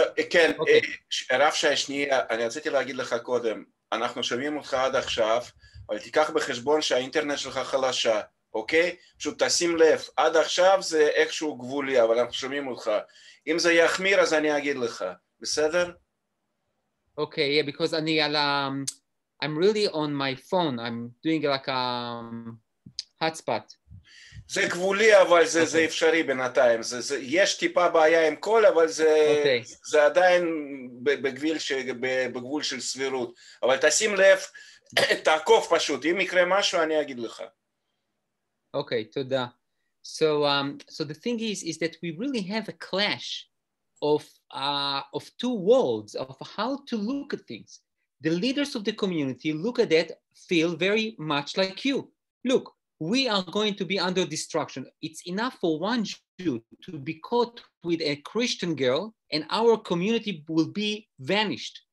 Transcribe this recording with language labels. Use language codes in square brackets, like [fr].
[he] כן, רב שהשנייה, אני רציתי להגיד לך קודם, אנחנו שומעים אותך עד עכשיו, אבל תיקח בחשבון שהאינטרנט שלך חלשה, אוקיי? פשוט תשים לב, עד עכשיו זה איכשהו גבולי, אבל אנחנו שומעים אותך. אם זה יחמיר, אז אני אגיד לך. בסדר? [en] Okay, yeah, because [he] אני על [en] I'm really on my phone. I'm doing like a hotspot. [he] זה גבולי, אבל זה אפשרי בינתיים. יש טיפה בעיה עם קול, אבל זה עדיין בגבול של סבירות. אבל תשים לב, תעקוף פשוט. אם יקרה משהו, אני אגיד לך. [en] Okay, toda. So so the thing is that we really have a clash of two worlds of how to look at things. The leaders of the community look at that, feel very much like you. Look, we are going to be under destruction. It's enough for one Jew to be caught with a Christian girl and our community will be vanished.